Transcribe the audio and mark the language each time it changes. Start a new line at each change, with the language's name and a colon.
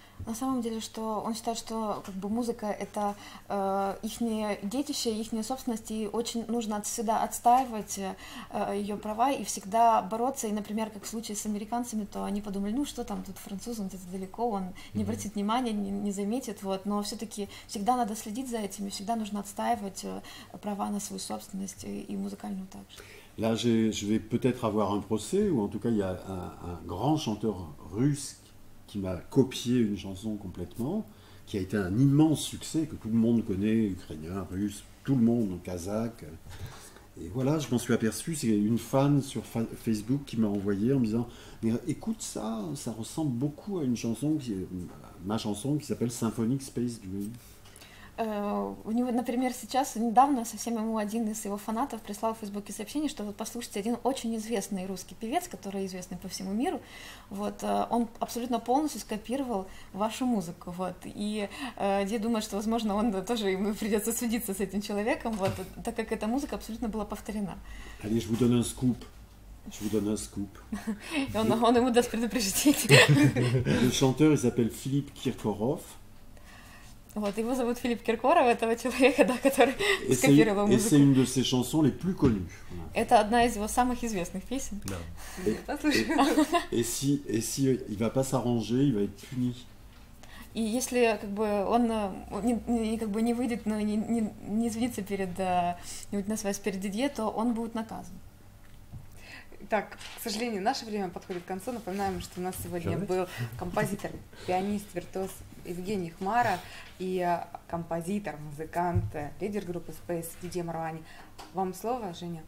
Russian: На самом деле, что он считает, что как бы музыка — это ихнее детище, ихняя собственность, и очень нужно всегда отстаивать ее права и всегда бороться. И, например, как в случае с американцами, то они подумали, ну что там, тут француз, он где-то далеко, он не обратит внимания, не заметит, вот. Но все-таки всегда надо следить за этим, и всегда нужно отстаивать права на свою собственность и музыкальную также.
French: Là, je vais peut-être avoir un procès, ou en tout cas, il y a un grand chanteur russe qui m'a copié une chanson complètement, qui a été un immense succès, que tout le monde connaît, ukrainien, russe, tout le monde, kazakh. Et voilà, je m'en suis aperçu, c'est une fan sur Facebook qui m'a envoyé en me disant « Mais écoute ça, ça ressemble beaucoup à une chanson, ma chanson qui s'appelle Symphonic Space Dream ».
Russian: У него, например, сейчас недавно совсем ему один из его фанатов прислал в Фейсбуке сообщение, что вот послушайте, один очень известный русский певец, который известный по всему миру, вот, он абсолютно полностью скопировал вашу музыку, вот, и Ди думает, что, возможно, он тоже ему придется судиться с этим человеком, вот, так как эта музыка абсолютно была повторена.
French: Allez, je vous donne un scoop.
Russian: он ему даст предупреждение.
French: Le chanteur, il s'appelle Philippe Kirkorov.
Russian: Вот, его зовут Филипп Киркоров, этого человека, да, который
French: Et
Russian: скопировал
French: c'est
Russian: музыку.
French: une de ses chansons les plus connues. Voilà.
Russian: Это одна из его самых известных песен. Да.
French: Et si il va pas s'arranger, il va être puni.
Russian: И если как бы он не как бы не выйдет, но не извинится перед на своей перед Дидье, то он будет наказан. Так, к сожалению, наше время подходит к концу. Напоминаем, что у нас сегодня был композитор, пианист, виртуоз Евгений Хмара и композитор, музыкант, лидер группы Space Дидье Марвани. Вам слово, Женя.